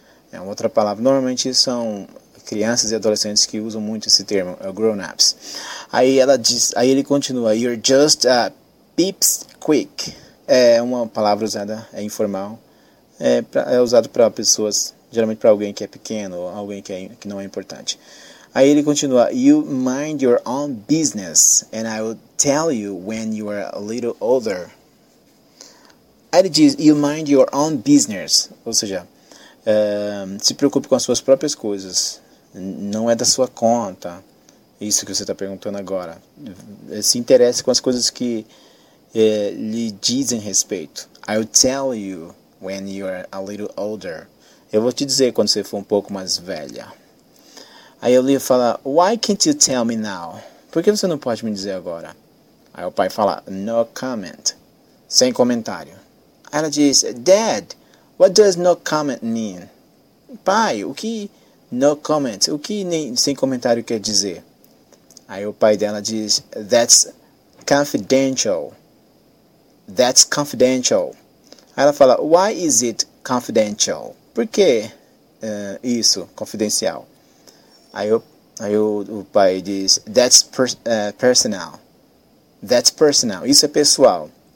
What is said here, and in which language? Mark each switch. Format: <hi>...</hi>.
<pt>É outra palavra, normalmente são crianças e adolescentes que usam muito esse termo, grown-ups. Aí ela diz, aí ele continua,</pt> <en>you're just a pipsqueak.</en> <pt>É uma palavra usada, é informal, é usado para pessoas, geralmente para alguém que é pequeno, ou alguém que não é importante. Aí ele continua,</pt> <en>you mind your own business, and I will tell you when you are a little older.</en> <pt>Aí ele diz,</pt> <en>you mind your own business,</en> <pt>ou seja, se preocupe com as suas próprias coisas. Não é da sua conta isso que você está perguntando agora. Se interesse com as coisas que lhe dizem respeito.</pt> <en>I'll tell you when you are a little older.</en> <pt>Eu vou te dizer quando você for um pouco mais velha. Aí o Leo fala,</pt> <en>why can't you tell me now?</en> <pt>Por que você não pode me dizer agora? Aí o pai fala,</pt> <en>no comment.</en> <pt>Sem comentário. Aí ela diz,</pt> <en>Dad, what does no comment mean?</en> <pt>Pai, o que</pt> <en>no comment,</en> <pt>o que nem, sem comentário quer dizer? Aí o pai dela diz,</pt> <en>that's confidential. That's confidential.</en> <pt>Aí ela fala,</pt> <en>why is it confidential?</en> <pt>Por que isso, confidencial? Aí o pai diz,</pt> <en>that's personal. That's personal.</en> <pt>Isso é pessoal.</pt>